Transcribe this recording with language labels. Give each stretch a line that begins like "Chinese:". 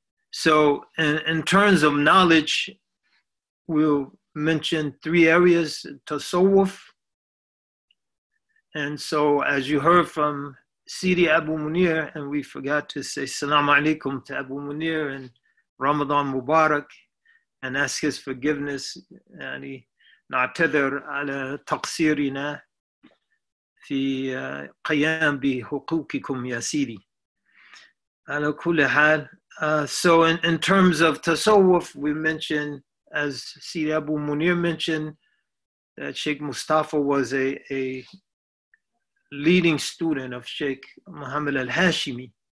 English: So in terms of knowledge, we'll mention three areas: tasawwuf. And so as you heard from Sidi Abu Munir, and we forgot to say salam alaikum to Abu Munir and Ramadan Mubarak, and ask his forgiveness. And
Arabic: نعتذر على تقصيرنا في قيام بحقوقكم يا سيدي. على كل حال,
English: so in terms of tasawwuf, we mentioned, as Sidi Abu Munir mentioned, that Shaykh Mustafa was a leading student of Shaykh Muhammad al-Hashimi.